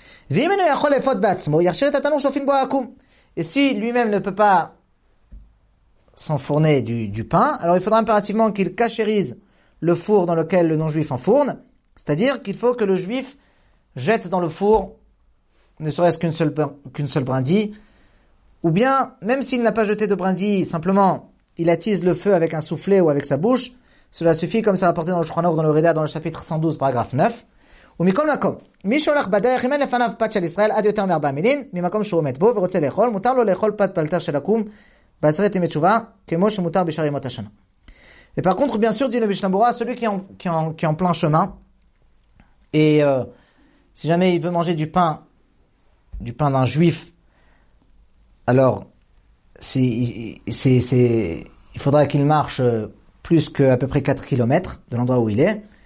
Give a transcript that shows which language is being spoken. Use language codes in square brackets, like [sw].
[fr] Et si lui-même ne peut pas s'enfourner du pain, alors il faudra impérativement qu'il cachérise le four dans lequel le non-juif enfourne, c'est-à-dire qu'il faut que le juif jette dans le four ne serait-ce qu'une seule brindille, ou bien même s'il n'a pas jeté de brindille, simplement il attise le feu avec un soufflet ou avec sa bouche, cela suffit comme c'est rapporté dans le Shulchan Aruch, dans le Rida, dans le chapitre 112, paragraphe 9. [he] ומכל מקום, מי שהולך בדרך, אם אין לפניו פת של ישראל עד יותר מ-4 מילין, ממקום שהוא עומד בו ורוצה לאכול, מותר לו לאכול פת פלטר של עקום בעשרת ימי תשובה, כמו שמותר בשאר ימות השנה. ופר קונטר, בין סור דין למשנה ברורה, סולי כאין פלן שמה, [fr] Si jamais il veut manger du pain d'un juif, alors il faudra qu'il marche plus qu'à peu près 4 km de l'endroit où il est.